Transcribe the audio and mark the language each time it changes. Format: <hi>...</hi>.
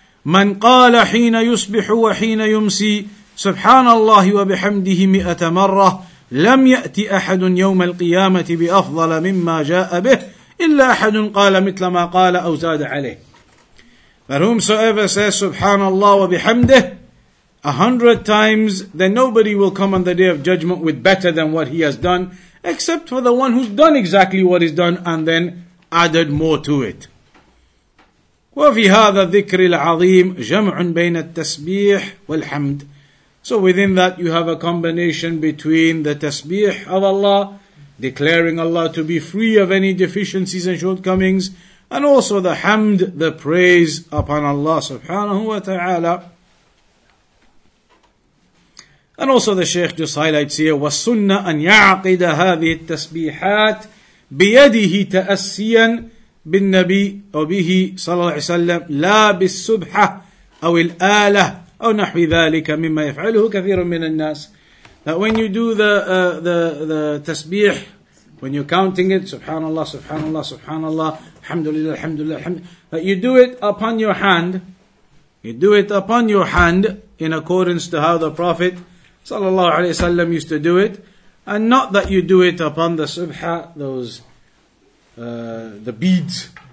<ar>مَنْ قَالَ حِينَ يُصْبِحُ وَحِينَ يُمْسِي سُبْحَانَ اللَّهِ وَبِحَمْدِهِ</ar> <en>100 times</en> <ar>لَمْ يَأْتِ أَحَدٌ يَوْمَ الْقِيَامَةِ بِأَفْضَلَ مِمَّا جَاءَ بِهِ إِلَّا أَحَدٌ قَالَ مِثْلَ مَا قَالَ أَوْ زَادَ عَلَيْهِ.</ar> <en>But whomsoever says</en> <ar>سُبْحَانَ اللَّهِ وَبِحَمْدِهِ</ar> <en>100 times, then nobody will come on the Day of Judgment with better than what he has done, except for the one who's done exactly what he's done and then added more to it.</en> <ar>وفي هذا الذكر العظيم جمع بين التسبيح والحمد.</ar> <en>So within that you have a combination between the tasbih of Allah, declaring Allah to be free of any deficiencies and shortcomings, and also the hamd, the praise upon Allah subhanahu wa ta'ala. And also the Shaykh just highlights here,</en> <ar>وَالسُنَّ أَنْ يَعْقِدَ هَذِهِ التَّسْبِيحَاتِ بِيَدِهِ تَأَسِّيًا بالنبي وبه صلى الله عليه وسلم لا بالسبحة أو الآلة أو نحو ذلك مما يفعله كثير من الناس.</ar> <en>That when you do the tasbih, when you're counting it, subhanallah, subhanallah, subhanallah, alhamdulillah, alhamdulillah, alhamdulillah, that you do it upon your hand, you do it upon your hand in accordance to how the Prophet</en> <ar>صلى الله عليه وسلم</ar> <en>used to do it, and not that you do it upon the subha, the beads.</en>